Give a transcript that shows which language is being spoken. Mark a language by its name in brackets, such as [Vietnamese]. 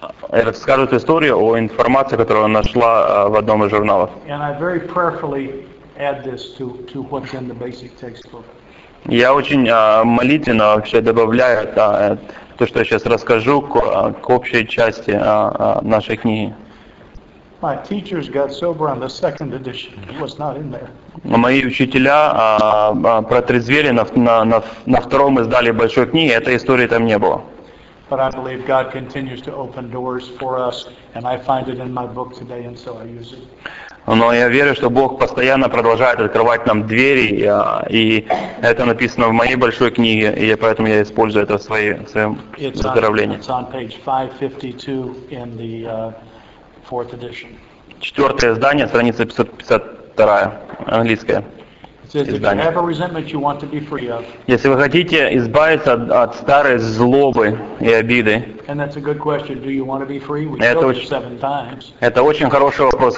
[Russian] Рассказывает историю о информации, которую она нашла в одном из журналов. [English] And I very prayerfully add this to what's in the basic textbook. [Russian] Я очень молитвенно вообще добавляю то, что я сейчас расскажу, к общей части нашей книги. [English] My teachers got sober on the second edition. It was not in there. [Russian] Мои учителя протрезвели на втором издали большой книги. Этой истории там не было. [English] But I believe God continues to open doors for us, and I find it in my book today, and so I use it. [Russian] Но я верю, что Бог постоянно продолжает открывать нам двери, и это написано в моей большой книге, и поэтому я использую это в своем выздоровлении. [English] It's on page 552 in the fourth edition. [Russian] Четвертое издание, страница 552, английское. Если вы хотите избавиться от старой злобы и обиды, это очень хороший вопрос.